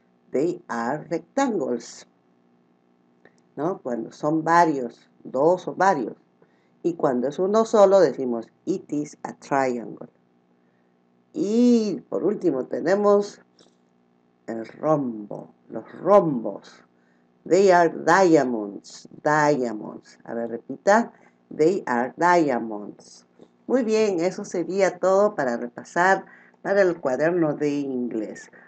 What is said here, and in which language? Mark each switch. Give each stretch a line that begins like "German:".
English: They are rectangles. ¿No?
Spanish: Cuando son varios, dos o varios. Y cuando es uno solo, decimos,
English: it is a triangle.
Spanish: Y por último, tenemos el rombo, los rombos.
English: They are diamonds, diamonds.
Spanish: A ver, repita.
English: They are diamonds.
Spanish: Muy bien, eso sería todo para repasar para el cuaderno de inglés.